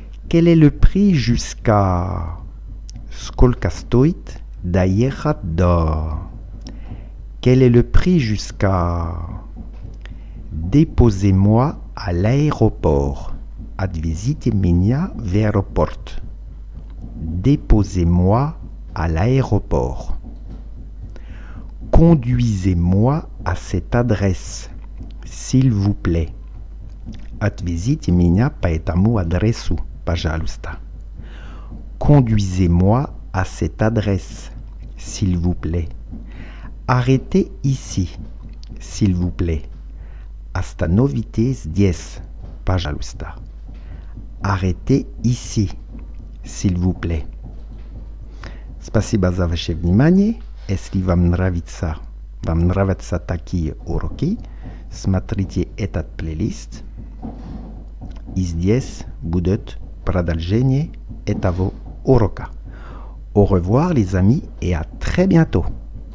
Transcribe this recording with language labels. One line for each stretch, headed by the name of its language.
French: Quel est le prix jusqu'à...
Russian: Сколько стоит доехать до...
French: Quel est le prix jusqu'à... Déposez-moi à l'aéroport.
Russian: Отвезите меня в аэропорт.
French: Déposez-moi à l'aéroport. Conduisez-moi à cette adresse, s'il vous plaît.
Russian: Отвезите меня по этому адресу, пожалуйста.
French: Conduisez-moi à cette adresse, s'il vous plaît. Arrêtez ici, s'il vous plaît.
Russian: Остановите здесь, пожалуйста.
French: Arrêtez ici, s'il vous plaît.
Russian: Спасибо за ваше внимание. Если вам нравятся такие уроки, смотрите этот плейлист. И здесь будет продолжение этого урока.
French: Au revoir, les amis, et à très bientôt!